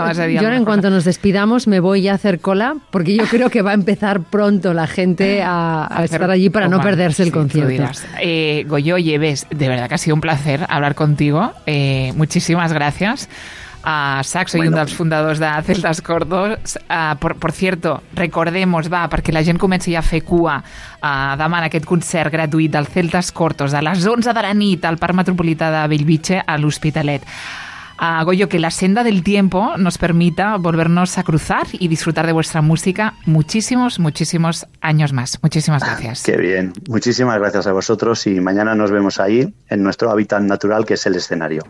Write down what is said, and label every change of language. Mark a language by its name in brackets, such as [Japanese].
[Spanish] vas a yo ahora en cuanto nos despidamos me voy a hacer cola, porque yo creo que va a empezar pronto la gente a estar allí para no perderse el concierto. Goyo Lleves, de verdad que ha sido un placer hablar contigo. Muchísimas gracias a Saxo, bueno, y [Catalan] un dels fundadors de Celtas Cortos. [Spanish] Per cierto, recordemos, [Catalan] va, perquè la gent comença ja a fer cua, demà en aquest concert gratuït dels Celtas Cortos a les 11 de la nit al Parc Metropolità de Bellvitge a l'Hospitalet. [Spanish] Goyo, que la senda del tiempo nos permita volvernos a cruzar y disfrutar de vuestra música muchísimos, muchísimos años más. Muchísimas gracias. Qué bien. Muchísimas gracias a vosotros y mañana nos vemos ahí en nuestro hábitat natural, que es el escenario.